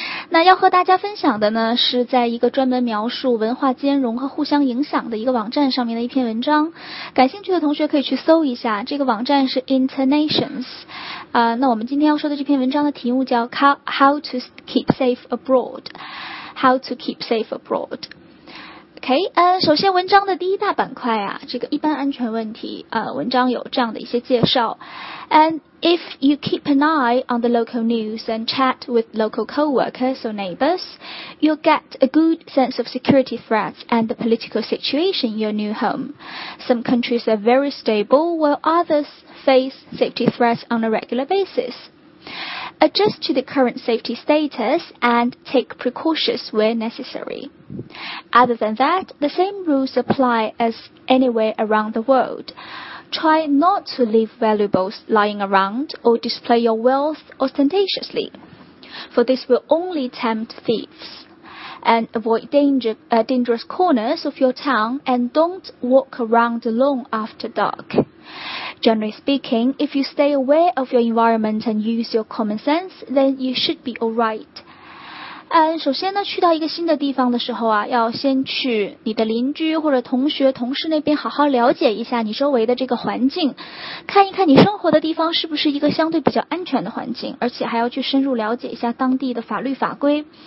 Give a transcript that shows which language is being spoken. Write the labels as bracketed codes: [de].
[zh] 那要和大家分享的呢，是在一个专门描述文化兼容和互相影响的一个网站上面的一篇文章，感兴趣的同学可以去搜一下，这个网站是 Internations。那我们今天要说的这篇文章的题目叫 [en] How to keep safe abroad， [zh] How to keep safe abroad。 OK， 首先文章的第一大板块啊，这个一般安全问题，文章有这样的一些介绍。 [en] And if you keep an eye on the local news and chat with local co-workers or neighbors, you'll get a good sense of security threats and the political situation in your new home. Some countries are very stable, while others face safety threats on a regular basis. Adjust to the current safety status and take precautions where necessary. Other than that, the same rules apply as anywhere around the world. Try not to leave valuables lying around or display your wealth ostentatiously, for this will only tempt thieves. And avoid dangerous corners of your town and don't walk around alone after dark. Generally speaking, if you stay aware of your environment and use your common sense, then you should be all right. [zh] 首先呢，去到一个新的地方的时候啊，要先去你的邻居或者同学同事那边好好了解一下你周围的这个环境，看一看你生活的地方是不是一个相对比较安全的环境，而且还要去深入了解一下当地的法律法规。